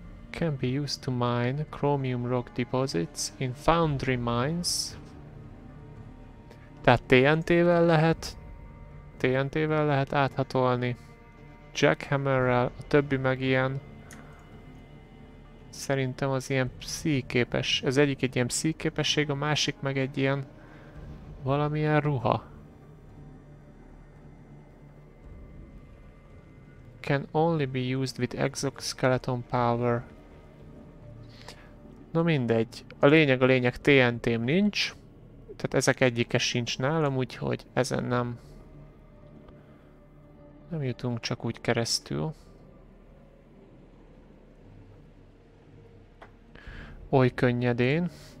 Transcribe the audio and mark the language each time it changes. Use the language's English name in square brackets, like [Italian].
[English] Can be used to mine chromium rock deposits in foundry mines. [Hungarian] Tehát TNT-vel lehet... TNT-vel lehet áthatolni. Jackhammerrel, a többi meg ilyen... Szerintem az ilyen pszichiképes... Ez egyik egy ilyen pszichiképesség, a másik meg egy ilyen... Valamilyen ruha. [English] Can only be used with exoskeleton power. [Hungarian] Na mindegy. A lényeg TNT-m nincs. Tehát ezek egyike sincs nálam, úgyhogy ezen nem... Nem jutunk csak úgy keresztül. Oly könnyedén.